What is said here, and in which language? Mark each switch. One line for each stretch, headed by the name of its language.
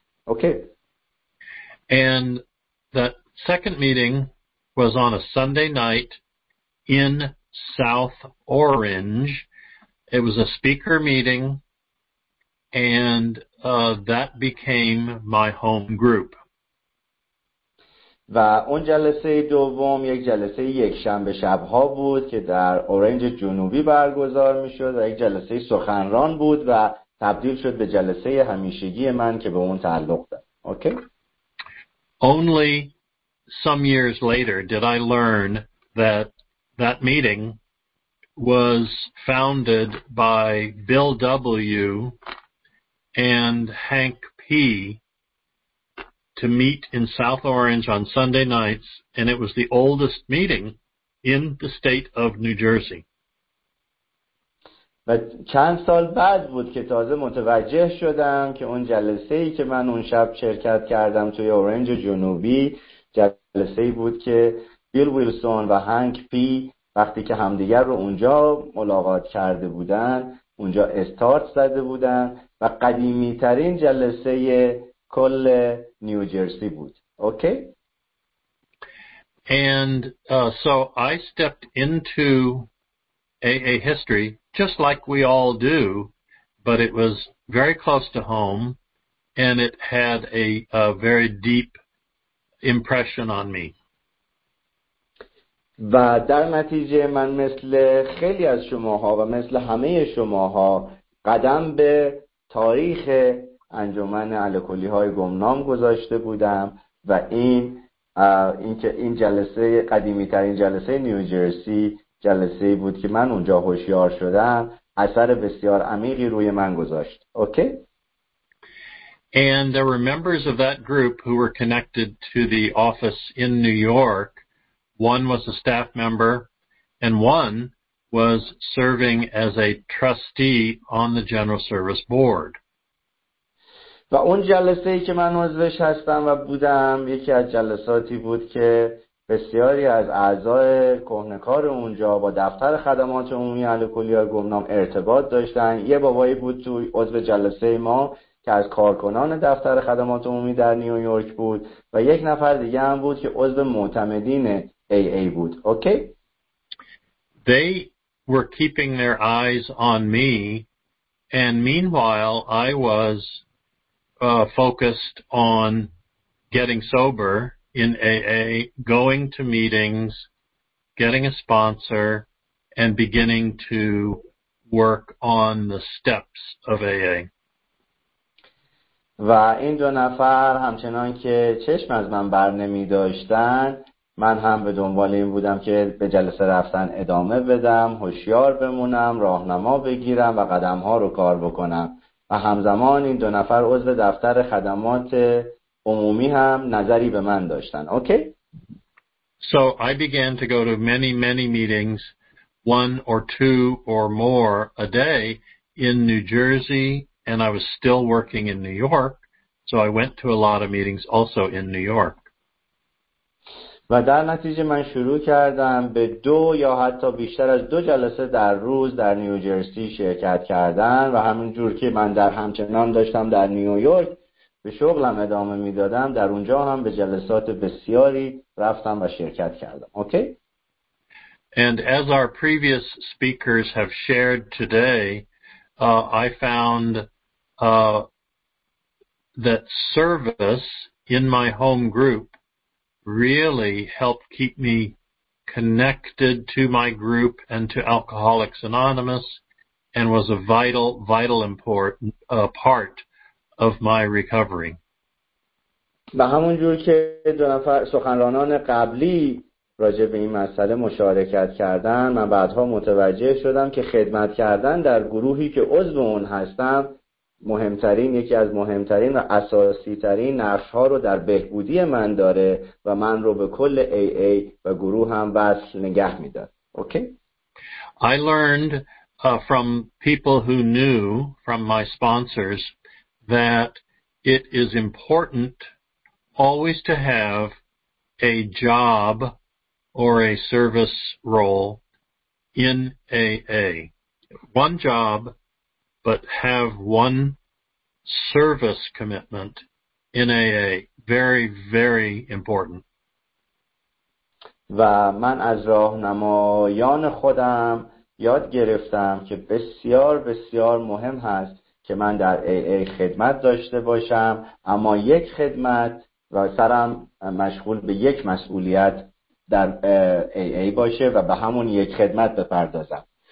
English: Okay. And that second meeting was on a Sunday night in South Orange. It was a speaker meeting and that became my home group.
Persian: و اون جلسه دوم یک جلسه یک شنبه شب ها بود که در اورنج جنوبی برگزار میشد و یک جلسه سخنران بود و تبدیل شد به جلسه همیشگی من که به اون تعلق دارد.
English: Okay. Only some years later did I learn that meeting was founded by Bill W. and Hank P. to meet in South Orange on Sunday nights, and it was the oldest meeting in the state of New Jersey.
Persian: و چند سال بعد بود که تازه متوجه شدم که اون جلسه‌ای که من اون شب شرکت کردم توی اورنج جنوبی، جلسه‌ای بود که بیل ویلسون و هانک پی وقتی که همدیگر رو اونجا ملاقات کرده بودن اونجا استارت زده بودن و قدیمی ترین جلسه کل نیوجرسی بود.
English: Okay? And so I stepped into AA history just like we all do, but it was very close to home and it had a very deep impression on me.
Persian: و در نتیجه من مثل خیلی از شماها و مثل همه شماها قدم به تاریخ انجمن الکلی های گمنام گذاشته بودم و اینکه این جلسه قدیمی ترین جلسه نیوجرسی جلسه بود که من اونجا هوشیار شدم اثر بسیار عمیقی روی من گذاشت.
English: Okay? And there were members of that group who were connected to the office in New York. One was a staff member, and one was serving as a trustee on the General Service Board.
Persian: و اون جلسه‌ای که من عضوش هستم و بودم یکی از جلساتی بود که بسیاری از اعضای کهنه‌کار اونجا با دفتر خدمات عمومی الکلی‌های گمنام ارتباط داشتن. یه بابایی بود تو عضو جلسه ما که از کارکنان دفتر خدمات عمومی در نیویورک بود و یک نفر دیگه هم بود که عضو معتمدین AA بود.
English: Okay? They were keeping their eyes on me and meanwhile I was focused on getting sober in AA, going to meetings, getting a sponsor and beginning to work on the steps of AA.
Persian: و این دو نفر همچنان که چشم از من بر نمی داشتن، من هم به دنبال این بودم که به جلسه رفتن ادامه بدم، هوشیار بمونم، راهنما بگیرم و قدم‌ها رو کار بکنم و همزمان این دو نفر عضو دفتر خدمات عمومی هم نظری به من داشتن.
English: Okay? So I began to go to many many meetings, one or two or more a day in New Jersey, and I was still working in New York, so I went to a lot of meetings also in New York.
Persian: و در نتیجه من شروع کردم به دو یا حتی بیشتر از دو جلسه در روز در نیوجرسی شرکت کردن و همین جور که من در همچنان داشتم در نیویورک به شغلم ادامه می دادم، در اونجا هم به جلسات بسیاری رفتم و شرکت کردم.
English: Okay? And as our previous speakers have shared today, I found that service in my home group really helped keep me connected to my group and to Alcoholics Anonymous and was a vital, vital important part of my recovery.
Persian: به همون جور که دو نفر سخنرانان قبلی راجع به این مسئله مشارکت کردن، من بعدها متوجه شدم که خدمت کردن در گروهی که عضو اون هستم مهمترین، یکی از مهمترین و اساسی ترین نقش ها رو در بهبودی من داره و من رو به کل AA و گروه هم وصل نگه می داره.
English: Okay? I learned from people who knew from my sponsors that it is important always to have a job or a service role in AA. One job, but have one service commitment in AA. Very, very important.
Persian: و من از راهنمایان خودم یاد گرفتم که بسیار بسیار مهم هست که من در AA خدمت داشته باشم، اما یک خدمت و سرم مشغول به یک مسئولیت در AA باشه و به همون یک خدمت بپردازم.